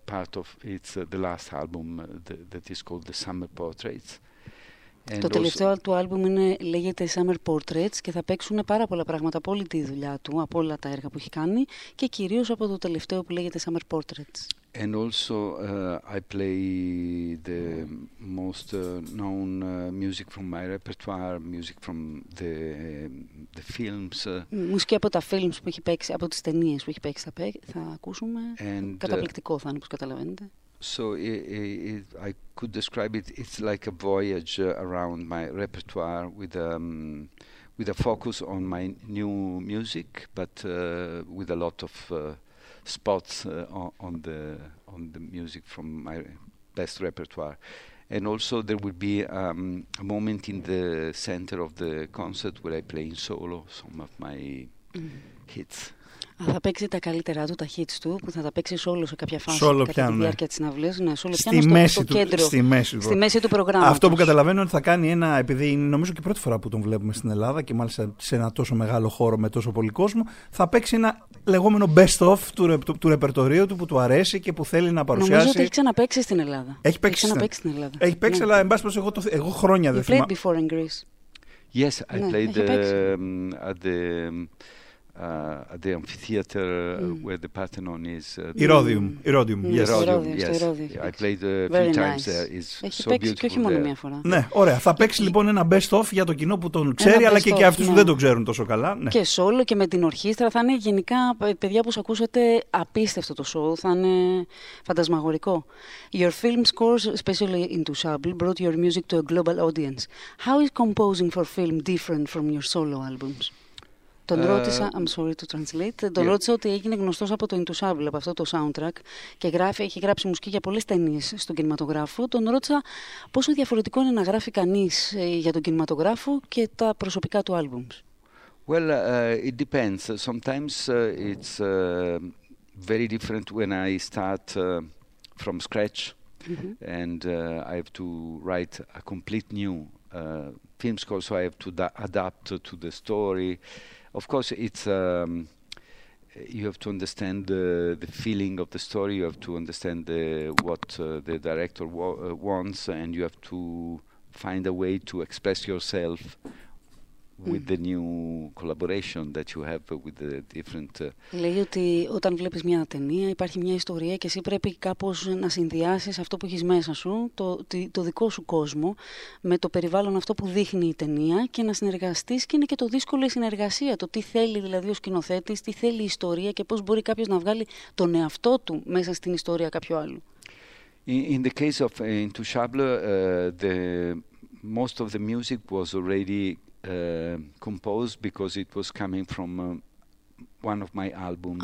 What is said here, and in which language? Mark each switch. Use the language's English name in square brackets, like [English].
[English] Part of it's the last album that is called The Summer Portraits. [Greek] And το τελευταίο του άλμπουμ λέγεται Summer Portraits και θα παίξουν πάρα πολλά πράγματα από όλη τη δουλειά του, από όλα τα έργα που έχει κάνει και κυρίως από το τελευταίο που λέγεται Summer Portraits. [English] And also I play the most known music from my repertoire, music from the films. [Greek] Μουσική από τα films που έχει παίξει, από τις ταινίες που έχει παίξει θα ακούσουμε. And, καταπληκτικό θα είναι, όπως καταλαβαίνετε. [English] So I could describe it. It's like a voyage around my repertoire with a focus on my new music, but with a lot of spots on the music from my best repertoire. And also there will be a moment in the center of the concert where I play in solo some of my hits. [Greek] Θα παίξει τα καλύτερά του, τα hits του, που θα τα παίξει solo σε κάποια φάση solo κατά πιάνο, τη διάρκεια της συναυλίας. Ναι, solo στη πιάνο μέση στο κέντρο, στη μέση, στη μέση του προγράμματος. Αυτό που καταλαβαίνω είναι ότι θα κάνει ένα, επειδή είναι νομίζω και η πρώτη φορά που τον βλέπουμε στην Ελλάδα και μάλιστα σε ένα τόσο μεγάλο χώρο με τόσο πολύ κόσμο, θα παίξει ένα λεγόμενο best of του ρεπερτορίου του που του αρέσει και που θέλει να παρουσιάσει. Νομίζω ότι έχει ξαναπαίξει στην Ελλάδα. Έχει παίξει, στην Ελλάδα. Έχει παίξει, αλλά εν πάση περιπτώσει εγώ χρόνια δεν θυμάμαι. [English] Played before in Greece. Yes, I played at the at the amphitheater where the Parthenon is. [Greek] Ηρώδιουμ. [English] Yes. I played three nice. Times there. It's [Greek] έχει [English] so beautiful. [Greek] Και όχι μόνο μία φορά. Ναι, ωραία. Θα παίξει λοιπόν ένα best of για το κοινό που τον ξέρει, αλλά και αυτούς που δεν τον ξέρουν τόσο καλά. Ναι. Και solo και με την ορχήστρα. Θα είναι γενικά, παιδιά που σας ακούσατε, απίστευτο το show. Θα είναι φαντασμαγορικό. [English] Your film scores, especially in Tushable, brought your music to a global audience. How is composing for film different from your solo albums? [Greek] Τον ρώτησα, [English] I'm sorry to translate, [Greek] τον ρώτησα ότι έγινε γνωστός από το Intouchable, από αυτό το soundtrack και έχει γράψει μουσική για πολλές ταινίες στον κινηματογράφο. Τον ρώτησα πόσο διαφορετικό είναι να γράφει κανείς για τον κινηματογράφο και τα προσωπικά του albums. [English] Well, it depends. Sometimes it's very different when I start from scratch, mm-hmm. and I have to write a complete new film score, so I have to adapt to the story. Of course, it's you have to understand the feeling of the story, you have to understand what the director wants, and you have to find a way to express yourself with the new collaboration that you have with the different... [Greek] Λέει ότι όταν βλέπεις μια ταινία υπάρχει μια ιστορία και εσύ πρέπει κάπως να συνδυάσεις αυτό που έχεις μέσα σου, το δικό σου κόσμο, με το περιβάλλον αυτό που δείχνει η ταινία και να συνεργαστείς, και είναι και το δύσκολο η συνεργασία, το τι θέλει δηλαδή ο σκηνοθέτης, τι θέλει η ιστορία και πώς μπορεί κάποιος να βγάλει τον εαυτό του μέσα στην ιστορία κάποιου άλλου. [English] In the case of Intouchable, the most of the music was already composed because it was coming from one of my albums.